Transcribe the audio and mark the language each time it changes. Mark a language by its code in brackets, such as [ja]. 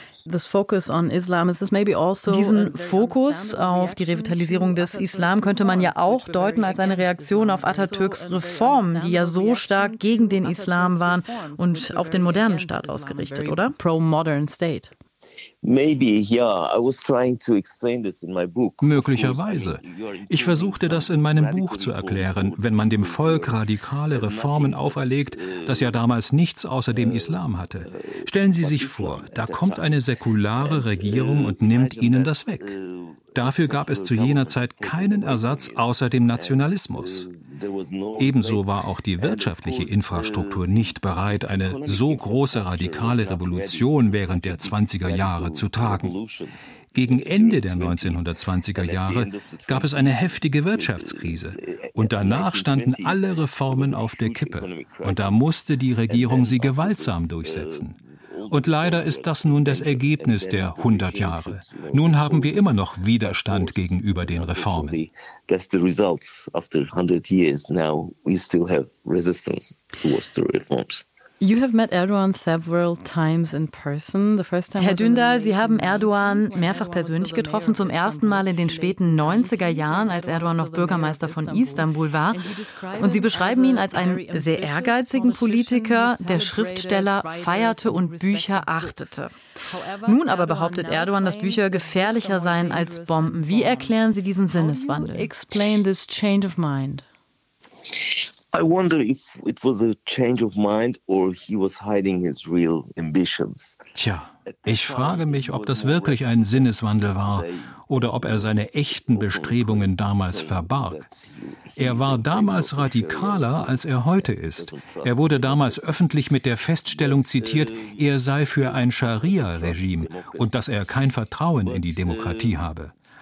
[en] This focus on Islam is this maybe also. [de] Diesen Fokus auf die Revitalisierung des Islam könnte man ja auch deuten als eine Reaktion auf Atatürks Reformen, die ja so stark gegen den Islam waren und auf den modernen Staat ausgerichtet, oder? [en] Pro-modern state. Maybe, yeah, I was trying to explain this in my book. [de] Möglicherweise. Ich versuchte das in meinem Buch zu erklären. Wenn man dem Volk radikale Reformen auferlegt, das ja damals nichts außer dem Islam hatte. Stellen Sie sich vor, da kommt eine säkulare Regierung und nimmt ihnen das weg. Dafür gab es zu jener Zeit keinen Ersatz außer dem Nationalismus. Ebenso war auch die wirtschaftliche Infrastruktur nicht bereit, eine so große radikale Revolution während der 20er Jahre zu tragen. Gegen Ende der 1920er Jahre gab es eine heftige Wirtschaftskrise und danach standen alle Reformen auf der Kippe und da musste die Regierung sie gewaltsam durchsetzen. Und leider ist das nun das Ergebnis der 100 Jahre. Nun haben wir immer noch Widerstand gegenüber den Reformen. [en] That's the result after 100 years. Now we still have resistance towards the reforms. You have met Erdogan several times in person. The first time. [de] Herr Dündar, Sie haben Erdogan mehrfach persönlich getroffen, zum ersten Mal in den späten 90er Jahren, als Erdogan noch Bürgermeister von Istanbul war. Und Sie beschreiben ihn als einen sehr ehrgeizigen Politiker, der Schriftsteller feierte und Bücher achtete. Nun aber behauptet Erdogan, dass Bücher gefährlicher seien als Bomben. Wie erklären Sie diesen Sinneswandel? [en] Explain this change of mind. I wonder if it was a change of mind or he was hiding his real ambitions. [de] Tja, ich frage mich, ob das wirklich ein Sinneswandel war oder ob er seine echten Bestrebungen damals verbarg. Er war damals radikaler, als er heute ist. Er wurde damals öffentlich mit der Feststellung zitiert, er sei für ein Scharia-Regime und dass er kein Vertrauen in die Demokratie habe.